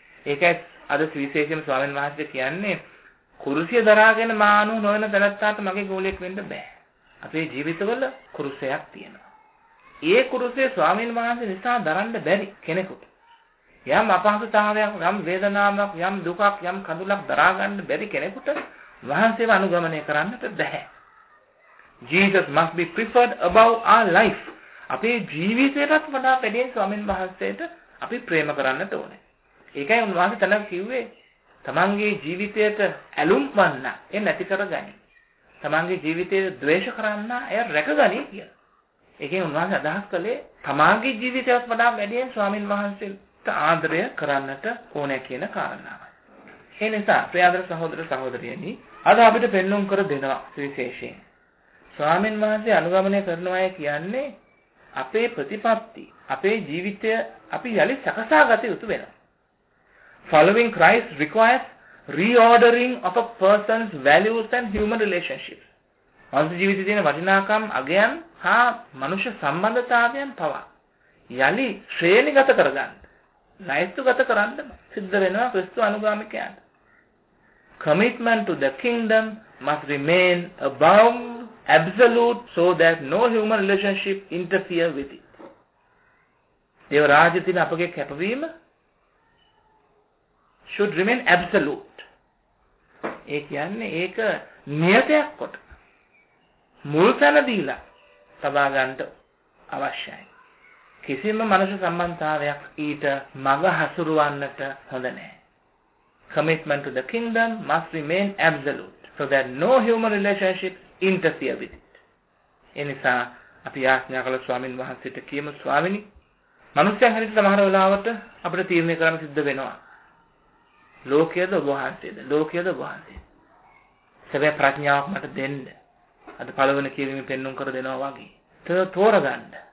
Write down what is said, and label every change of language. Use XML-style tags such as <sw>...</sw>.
<si>ඒකයි අද සුවිශේෂයෙන් ස්වාමීන් වහන්සේ කියන්නේ, කුරුසිය දරාගෙන මානු නොවන තැනැත්තාට මගේ ගෝලයක් වෙන්න බෑ. අපේ ජීවිතවල කුරුසයක් තියෙනවා. ඒ කුරුසය ස්වාමීන් වහන්සේ නිසා දරන්න බැරි කෙනෙකුට, යම් අපහසුතාවයක්, යම් වේදනාවක්, යම් දුකක්, යම් කඳුලක් දරාගන්න බැරි කෙනෙකුට වහන්සේව අනුගමනය කරන්නට බැහැ.</si> <en>Jesus must be preferred above our life.</en> <si>අපේ ජීවිතයටත් වඩා වැඩියෙන් ස්වාමීන් වහන්සේට අපි ප්‍රේම කරන්නට ඕනේ. ඒකයි උන්වහන්සේ තන කිව්වේ, තමන්ගේ ජීවිතයට ඇලුම් වන්න එ නැති කරගනි, තමන්ගේ ජීවිතයට ද්වේෂ කරන්න එය රැකගනි කියලා. ඒකෙන් උන්වහන්සේ අදහස් කළේ තමන්ගේ ජීවිතයත් වඩා වැඩියෙන් ස්වාමීන් වහන්සේට ආදරය කරන්නට ඕනෑ කියන කාරණාවයි. ඒ නිසා ප්‍රියදර සහෝදර සහෝදරියනි, අද අපිට පෙන්නුම් කර දෙනවා සුවිශේෂයෙන්. ස්වාමීන් වහන්සේ අනුගමනය කරන අය කියන්නේ අපේ ප්‍රතිපත්ති, අපේ ජීවිතය අපි යළි සකසා ගත යුතු වෙනවා.</si> <en>Following Christ requires reordering of a person's values and human relationships.</en> <si>මනුෂ්‍ය ජීවිතයේ තියෙන වටිනාකම් අගයන් හා මනුෂ්‍ය සම්බන්ධතාවයන් පවා යලි ශ්‍රේණිගත කරගන්න ණයසුගත කරන්න සිද්ධ වෙනවා ක්‍රිස්තු අනුගාමිකයන්ට.</si> <en>Commitment to the kingdom must remain a bond absolute so that no human relationship interfere with it.</en> <si>දේව රාජ්‍ය තුළ අපගේ කැපවීම</si> <en>should remain absolute.</en> <si>ඒ කියන්නේ ඒක නියතයක් කොට මුල් තැන දීලා තබා ගන්න අවශ්‍යයි. කිසිම මනුෂ්‍ය සම්බන්ධතාවයක් ඊට මඟ හසුරවන්නට හොඳ නැහැ.</si> <en>Commitment to the kingdom must remain absolute so that no human relationship interfere with it.</en> <si>එනිසා අපි ආඥා කළ ස්වාමින් වහන්සේට කියමු ස්වාමිනි මනුෂ්‍යයන් හැටියට සමහර වෙලාවට අපිට තීරණය කරන්න සිද්ධ වෙනවා. ලෝකයේද ඔබ වහන්සේද? ලෝකයේද ඔබ වහන්සේ? සැබෑ ප්‍රඥාවක් මට දෙන්න. අද පළවෙනි කීවීමෙන් පෙන්නුම් කර දෙනවා වගේ. තෝරගන්න.</si>